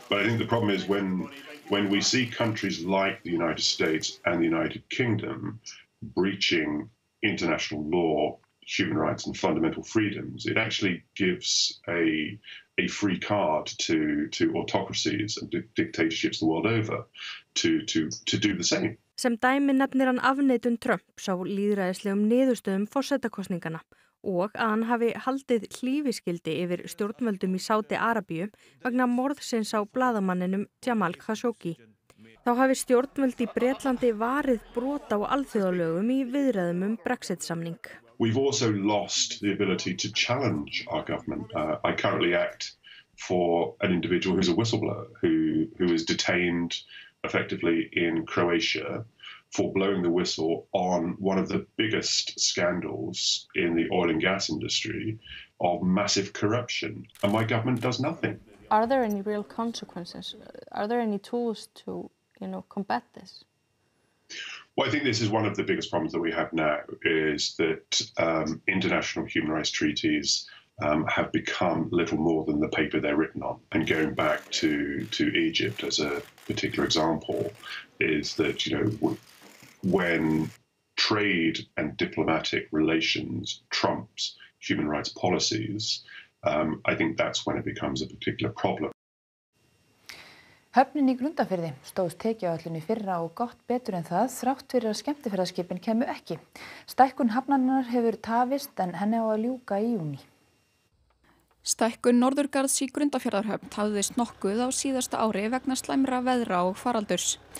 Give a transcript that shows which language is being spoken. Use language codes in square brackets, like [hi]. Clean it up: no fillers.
[en] But I think the problem is when we see countries like the United States and the United Kingdom breaching international law, human rights and fundamental freedoms, it actually gives a free card to autocracies and dictatorships the world over to do the same. [is] Sem dæmi nefnir hann afneitun Trumps á lýðræðislegum niðurstöðum forsetakosninganna og að hann hafi haldið hlífiskildi yfir stjórnvöldum í Sádi-Arabíu vegna morðsins á blaðamanninum Jamal Khashoggi. Þá hafi stjórnvöld í Bretlandi varið brot á alþjóðalögum í viðræðum Brexit-samning. [en] We've also lost the ability to challenge our government. I currently act for an individual who's a whistleblower who is detained effectively in Croatia for blowing the whistle on one of the biggest scandals in the oil and gas industry of massive corruption. And my government does nothing. Are there any real consequences? Are there any tools to, you know, combat this? Well, I think this is one of the biggest problems that we have now is that international human rights treaties have become little more than the paper they're written on. And going back to Egypt as a particular example is that, you know, when trade and diplomatic relations trumps human rights policies, I think that's when it becomes a particular problem. [is] Höfnin í Grundarfirði stóðst tekjuáætlun í fyrra og gott betur en það þrátt fyrir að skemmtiferðaskipin kemur ekki. Stækkun hafnarinnar hefur tafist en henni á að ljúka í júní. Stækkun Norðurgarðs í Grundarfjarðarhöfn tafðist nokkuð á síðasta ári vegna slæmra veðra og faraldurs.